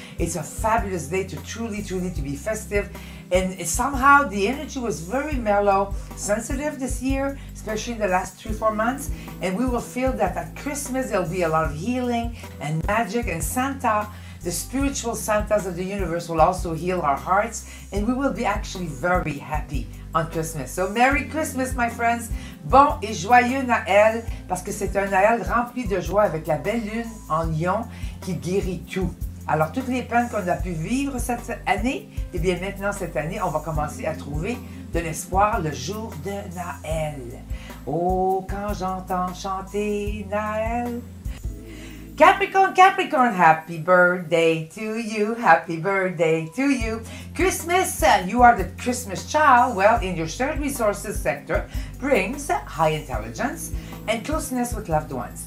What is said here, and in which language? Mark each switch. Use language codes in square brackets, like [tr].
[en] It's a fabulous day to truly, truly to be festive. And somehow the energy was very mellow, sensitive this year, especially in the last 3-4 months. And we will feel that at Christmas, there'll be a lot of healing and magic. And Santa, the spiritual Santas of the universe, will also heal our hearts. And we will be actually very happy on Christmas. So Merry Christmas, my friends. [fr] Bon et joyeux Noël, parce que c'est un Noël rempli de joie avec la belle lune en Lion qui guérit tout. Alors, toutes les peines qu'on a pu vivre cette année, eh bien maintenant, cette année, on va commencer à trouver de l'espoir le jour de Noël. Oh, quand j'entends chanter Noël. [en] Capricorn, Capricorn, happy birthday to you, happy birthday to you. Christmas, you are the Christmas child. Well, in your shared resources sector, brings high intelligence and closeness with loved ones.